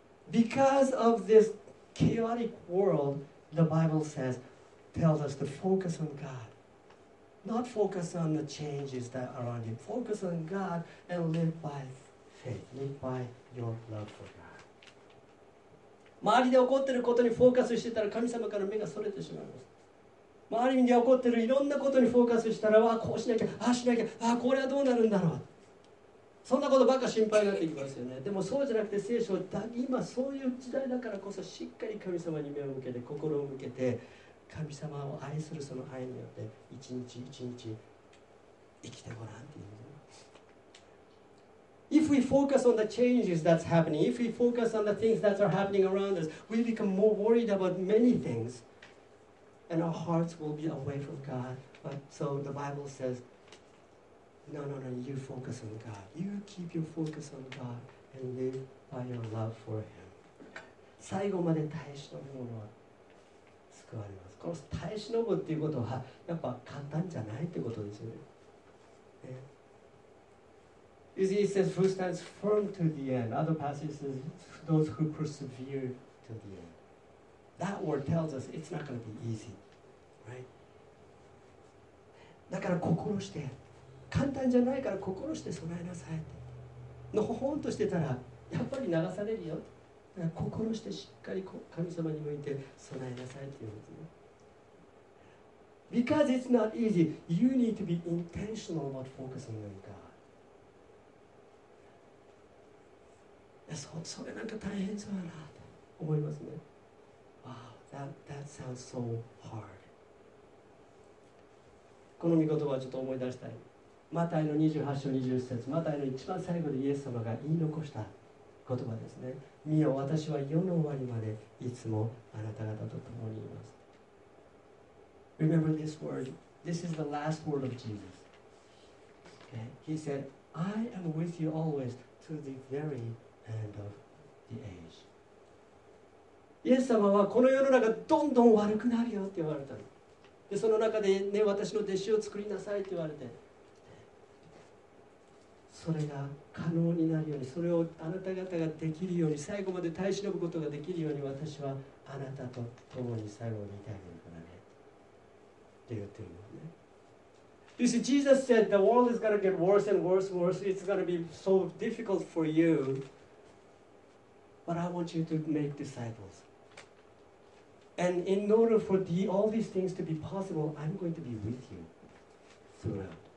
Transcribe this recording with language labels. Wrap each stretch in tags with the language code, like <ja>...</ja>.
<en>Because of this chaotic world, the Bible says, tells us to focus on God, not focus on the changes that are around you. Focus on God and live by faith. Live by your love for God.</en> <ja>周りで起こっていることにフォーカスしていたら神様から目がそれてしまいます。周りに起こっているいろんなことにフォーカスしたら、わあこうしなきゃ、ああしなきゃ、ああこれはどうなるんだろう、そんなことばっか心配になってきますよね。でもそうじゃなくて、聖書だ、今そういう時代だからこそしっかり神様に目を向けて、心を向けて、神様を愛するその愛によって一日一日生きてごらんっていう。</ja> <en>If we focus on the changes that's happening, if we focus on the things that are happening around us, we become more worried about many things, and our hearts will be away from God. But so the Bible says, no, no, no, you focus on God. You keep your focus on God and live by your love for Him.</en> <ja>最後まで耐え忍ぶものは救われます。この耐え忍ぶっていうことは、やっぱ簡単じゃないってことですよね。</ja> <en>He says, who stands firm to the end. Other passage says, those who persevere to the end. That word tells us it's not going to be easy, right?</en> <ja>だから心して、簡単じゃないから心して備えなさいって。のほほんとしてたら、やっぱり流されるよ。だから心してしっかり神様に向いて備えなさいっていうことね。</ja> <en>Because it's not easy, you need to be intentional about focusing on God.</en> <ja>それなんか大変そうやなって思いますね。</ja> <en>Wow, that sounds so hard.</en> <ja>この御言葉をちょっと思い出したい。マタイの28章20節、マタイの一番最後でイエス様が言い残した言葉ですね。見よ、私は世の終わりまでいつもあなた方と共にいます。</ja> <en>Remember this word. This is the last word of Jesus. Okay? He said, I am with you always to the veryEnd of the age.</en> <ja>イエス様はこの世の中どんどん悪くなるよって言われたの。でその中で、ね、私の弟子を作りなさいって言われて、それが可能になるように、それをあなた方ができるように、最後まで耐え忍ぶことができるように、私はあなたと共に最後にいてあげるからねって言ってるのね。</ja> <en>You see, Jesus said the world is going to get worse and worse and worse. It's going to be so difficult for youBut I want you to make disciples. And in order for all these things to be possible, I'm going to be with you throughout.</en>